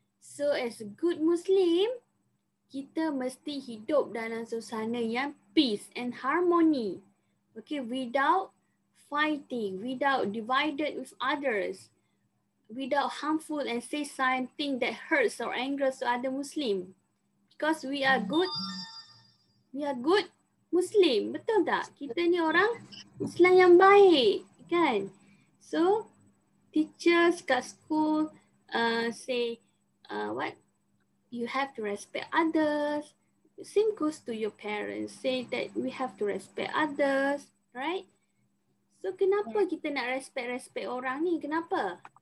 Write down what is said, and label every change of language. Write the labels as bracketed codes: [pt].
[en] So as a good Muslim, [ms] kita mesti hidup dalam suasana yang [en] peace and harmony. Okay, without fighting, without divided with others, without harmful and say something that hurts or angers to other Muslim. Because we are good. [ms] Muslim, betul tak? Kita ni orang Islam yang baik, kan? [en] So, teachers [ms] kat [en] school say, you have to respect others. Same goes to your parents, say that we have to respect others, right? [ms] So, kenapa kita nak respect orang ni? Kenapa?